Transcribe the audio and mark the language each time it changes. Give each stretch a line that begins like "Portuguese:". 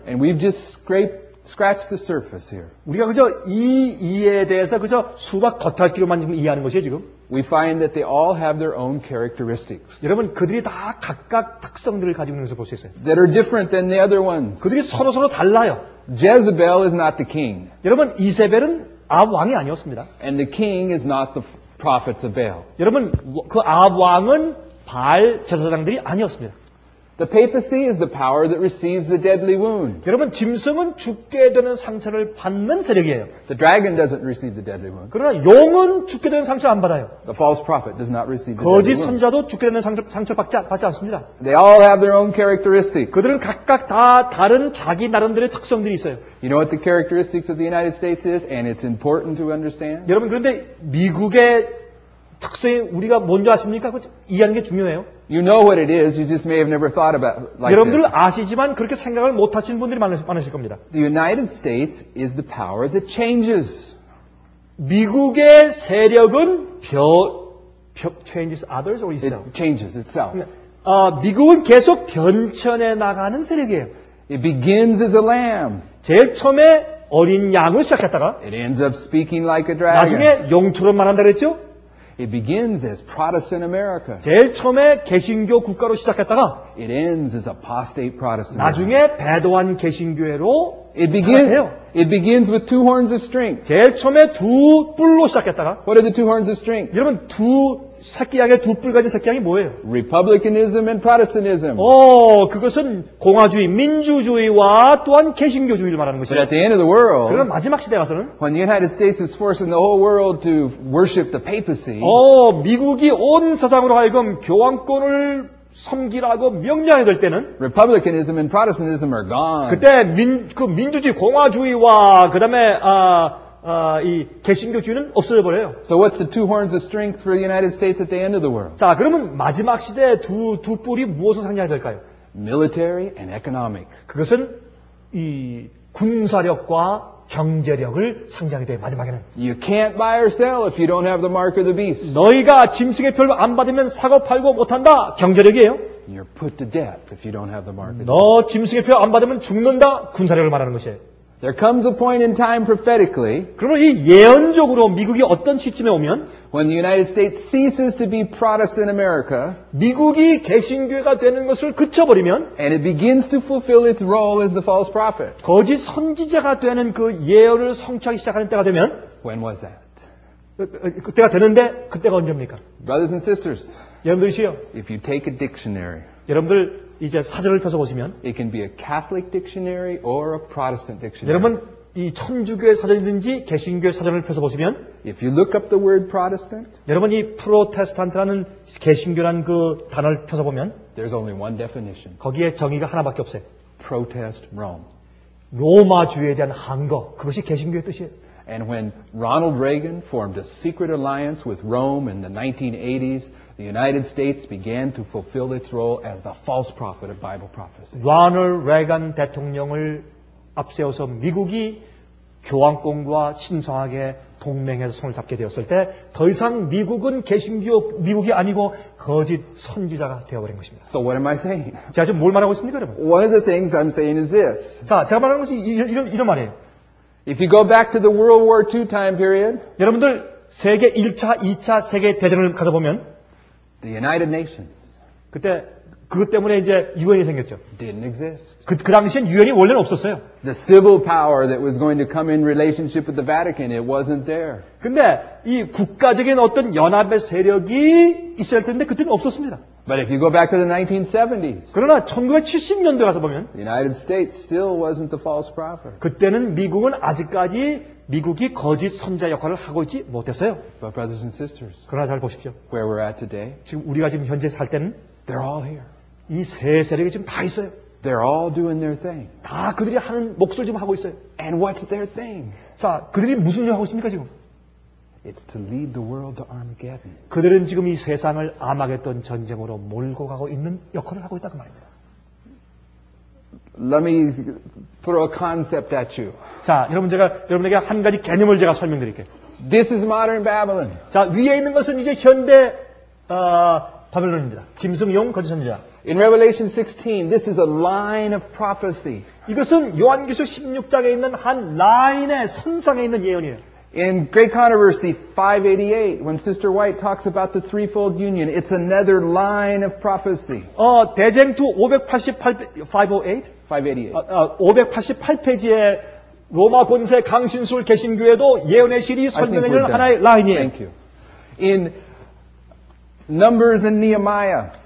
English: and we've just scratched the surface here.
Korean: 우리가 그저 이 이에 대해서 그저 수박 겉핥기로만 이해하는 것이에요 지금.
English: We find that they all have their own characteristics.
Korean: 여러분 그들이 다 각각 특성들을 가지고 있는 것을 볼 수 있어요.
English: That are different than the other ones.
Korean: 그들이 서로 달라요.
English: Jezebel is not the king.
Korean: 여러분 이세벨은 아합 왕이 아니었습니다.
English: And the king is not the prophets of Baal.
Korean: 여러분 그 아합 왕은 바알 제사장들이 아니었습니다.
English: The papacy is the power that receives the deadly wound.
Korean: 여러분 짐승은 죽게 되는 상처를 받는 세력이에요.
English: The dragon doesn't receive the deadly wound.
Korean: 그러나 용은 죽게 되는 상처 안 받아요.
English: The false prophet does not receive the deadly wound.
Korean: 거짓 선자도 죽게 되는 상처 받지 않습니다.
English: They all have their own characteristics.
Korean: 그들은 각각 다 다른 자기 나름대로의 특성들이 있어요.
English: You know what the characteristics of the United States is, and it's important to understand.
Korean: 여러분 그런데 미국의 특성이 우리가 뭔지 아십니까? 이해하는 게 중요해요.
English: You know what it is. You just may have never thought about it like
Korean: 여러분들
English: this.
Korean: 아시지만 그렇게 생각을 못 하시는 분들이 많으실 겁니다.
English: The United States is the power that changes.
Korean: 미국의 세력은
English: changes others or itself. It changes itself.
Korean: 미국은 계속 변천해 나가는 세력이에요.
English: It begins as a lamb.
Korean: 제일 처음에 어린 양을 시작했다가
English: It ends up speaking like a dragon.
Korean: 나중에 용처럼 말한다 그랬죠?
English: It begins as Protestant America.
Korean: 제일 처음에 개신교 국가로 시작했다가
English: It ends as apostate Protestant.
Korean: 나중에 배도한 개신교회로
English: It begins. It begins with two horns of strength.
Korean: 제일 처음에 두 뿔로 시작했다가
English: What are the two horns of strength?
Korean: 여러분 두 새끼 양의 두 뿔 가진 새끼 양이 뭐예요?
English: Republicanism and Protestantism.
Korean: 오, 그것은 공화주의, 민주주의와 또한 개신교주의를 말하는 것이에요.
English: But at the end of the world,
Korean: 그러면 마지막 시대에 가서는
English: when the United States is forcing the whole world to worship the papacy,
Korean: 오, 미국이 온 세상으로 하여금 교황권을 섬기라고 명령이 될 때는
English: Republicanism and Protestantism are gone.
Korean: 그때 그 민주주의, 공화주의와 그 다음에 이 개신교주의는 없어져 버려요.
English: So what's the two horns of strength for the United States at the end of the world?
Korean: 자, 그러면 마지막 시대 두 뿔이 무엇을 상징해야 될까요?
English: Military and economic.
Korean: 그것은 이 군사력과 경제력을 상징하게 돼요. 마지막에는.
English: You can't buy or sell if you don't have the mark of the beast.
Korean: 너희가 짐승의 표를 안 받으면 사고 팔고 못 한다. 경제력이에요.
English: You're put to death if you don't have the mark of the beast.
Korean: 너 짐승의 표 안 받으면 죽는다. 군사력을 말하는 것이에요.
English: There comes a point in time prophetically.
Korean: 그러면 이 예언적으로 미국이 어떤 시점에 오면
English: when the United States ceases to be Protestant America.
Korean: 미국이 개신교회가 되는 것을 그쳐 버리면
English: and it begins to fulfill its role as the false prophet.
Korean: 거짓 선지자가 되는 그 예언을 성취하기 시작하는 때가 되면
English: when was that?
Korean: 그때가 되는데 그때가 언제입니까?
English: Brothers and sisters.
Korean: 여러분들이시여.
English: If you take a dictionary.
Korean: 여러분들 이제 사전을 펴서 보시면
English: It can be a Catholic dictionary or a Protestant dictionary.
Korean: 여러분 이 천주교의 사전이든지 개신교의 사전을 펴서 보시면
English: If you look up the word Protestant
Korean: 여러분 이 프로테스탄트라는 개신교라는 그 단어를 펴서 보면
English: There's only one definition.
Korean: 거기에 정의가 하나밖에 없어요.
English: protest Rome.
Korean: 로마주의에 대한 항거, 그것이 개신교의 뜻이에요.
English: And when Ronald Reagan formed a secret alliance with Rome in the 1980s, the United States began to fulfill its role as the false prophet of Bible prophecy.
Korean: Ronald Reagan 대통령을 앞세워서 미국이 교황권과 신성하게 동맹해서 손을 잡게 되었을 때 더 이상 미국은 개신교 미국이 아니고 거짓 선지자가 되어버린 것입니다.
English: So what am I saying?
Korean: 제가 지금 뭘 말하고 있습니까, 여러분?
English: One of the things I'm saying is this.
Korean: 자, 제가 말하는 것이 이런 말이에요.
English: If you go back to the World War II time period,
Korean: 여러분들 세계 1차, 2차 세계 대전을 가져보면
English: the United Nations.
Korean: 그때 그것 때문에 이제 유엔이 생겼죠.
English: Didn't exist.
Korean: 그 당시엔 유엔이 원래는 없었어요.
English: The civil power that was going to come in relationship with the Vatican, it wasn't there.
Korean: 근데 이 국가적인 어떤 연합의 세력이 있어야 할 텐데 그때는 없었습니다.
English: But if you go back to the 1970s.
Korean: 그러나 1970년대 가서 보면
English: the United States still wasn't the false prophet.
Korean: 그때는 미국은 아직까지 미국이 거짓 선지자 역할을 하고 있지 못했어요.
English: But brothers and sisters.
Korean: 그러나 잘 보십시오.
English: Where we're at today.
Korean: 지금 우리가 지금 현재 살 때는
English: They're all here.
Korean: 이 세 세력이 지금 다 있어요.
English: They're all doing their thing.
Korean: 다 그들이 하는 몫을 지금 하고 있어요.
English: And what's their thing?
Korean: 자, 그들이 무슨 일을 하고 있습니까, 지금?
English: It's to lead the world to Armageddon.
Korean: 그들은 지금 이 세상을 아마겟돈 전쟁으로 몰고 가고 있는 역할을 하고 있다 그 말입니다.
English: Let me throw a concept at you.
Korean: 자, 여러분 제가 여러분에게 한 가지 개념을 제가 설명드릴게요.
English: This is modern Babylon.
Korean: 자, 위에 있는 것은 이제 현대 바벨론입니다. 짐승용 거짓 선지자.
English: In Revelation 16, this is a line of prophecy.
Korean: 이것은 요한계시록 16장에 있는 한 라인의 선상에 있는 예언이에요.
English: In Great Controversy 588, when Sister White talks about the threefold union, it's another line of prophecy.
Korean: 대쟁투 588 588페이지에 로마 권세 강신술 개신교에도 예언의 실이 설명해주는 하나의 라인이에요.
English: Thank you. In Numbers and Nehemiah.